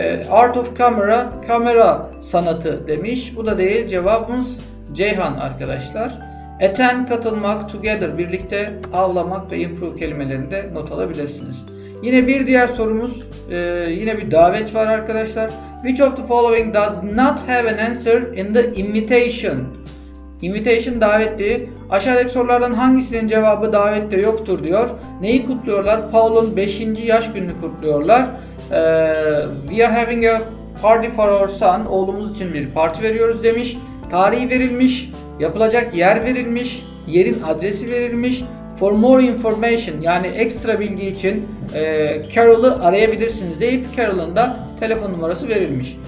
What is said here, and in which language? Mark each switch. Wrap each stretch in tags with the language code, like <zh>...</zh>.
<tr>Art of camera, kamera sanatı demiş. Bu da değil. Cevabımız Ceyhan arkadaşlar. Attend, katılmak, together, birlikte, avlamak ve improve kelimelerini de not alabilirsiniz. Yine bir diğer sorumuz, yine bir davet var arkadaşlar.</tr> <en>Which of the following does not have an answer in the invitation?</en> <tr>Invitation, daveti. Aşağıdaki sorulardan hangisinin cevabı davette yoktur diyor. Neyi kutluyorlar? Paul'un 5. yaş gününü kutluyorlar.</tr> <en>We are having a party for our son.</en> <tr>Oğlumuz için bir parti veriyoruz demiş. Tarihi verilmiş, yapılacak yer verilmiş, yerin adresi verilmiş.</tr> <en>For more information,</en> <tr>yani ekstra bilgi için Carol'ı arayabilirsiniz deyip Carol'ın da telefon numarası verilmiş.</tr>